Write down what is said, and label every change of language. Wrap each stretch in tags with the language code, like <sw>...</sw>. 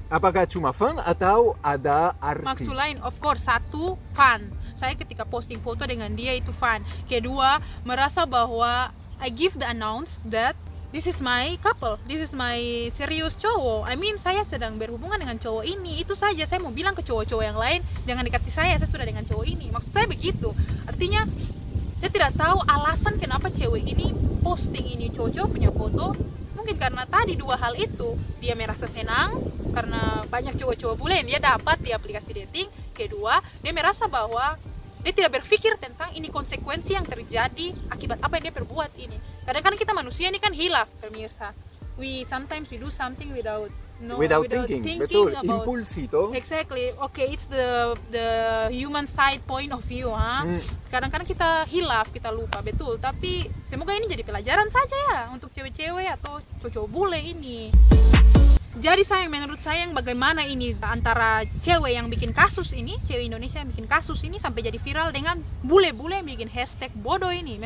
<id>Apakah cuma fun atau ada arti? Maksud lain,</id> <en>of course,</en> <id>satu, fun. Saya ketika posting foto dengan dia itu fun. Kedua, merasa bahwa</id> <en>I give the announce that this is my couple, this is my serious cowok. I mean,</en> <id>saya sedang berhubungan dengan cowok ini. Itu saja, saya mau bilang ke cowok-cowok yang lain, jangan dekati saya sudah dengan cowok ini. Maksud saya begitu. Artinya, saya tidak tahu alasan kenapa cewek ini posting ini cowok-cowok punya foto. Mungkin karena tadi dua hal itu, dia merasa senang karena banyak cowok-cowok bule yang dia dapat di aplikasi dating. Kedua, dia merasa bahwa dia tidak berpikir tentang ini konsekuensi yang terjadi akibat apa yang dia perbuat ini. Kadang-kadang kita manusia ini kan hilaf, pemirsa.</id> <en>Sometimes we do something without thinking about impulsi to. Exactly. Okay, it's the human side point of view, huh?</en> <id>Kadang-kadang kita hilaf, kita lupa, betul. Tapi semoga ini jadi pelajaran saja ya untuk cewek-cewek atau cowok-cowok bule ini. Jadi saya menurut saya yang bagaimana ini antara cewek yang bikin kasus ini, cewek Indonesia yang bikin kasus ini sampai jadi viral dengan bule-bule yang bikin hashtag bodoh ini.</id>